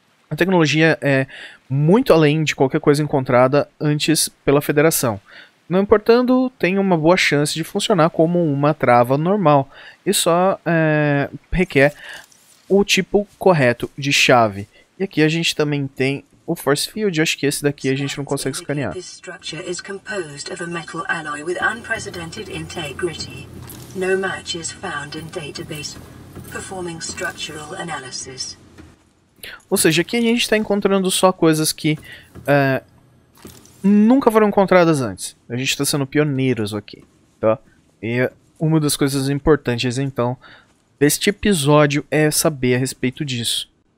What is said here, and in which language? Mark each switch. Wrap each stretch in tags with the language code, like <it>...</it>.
<pt>A tecnologia é muito além de qualquer coisa encontrada antes pela Federação. Não importando, tem uma boa chance de funcionar como uma trava normal. E só requer o tipo correto de chave. E aqui a gente também tem o Force Field, acho que esse daqui a gente não consegue escanear.</pt> <en>This structure is composed of a metal alloy with unprecedented integrity. No match is found in database. Performing structural analysis.</en> <pt>Ou seja, aqui a gente está encontrando só coisas que nunca foram encontradas antes. A gente está sendo pioneiros aqui. Tá? E Uma das coisas importantes, então, deste episódio é saber a respeito disso.</pt>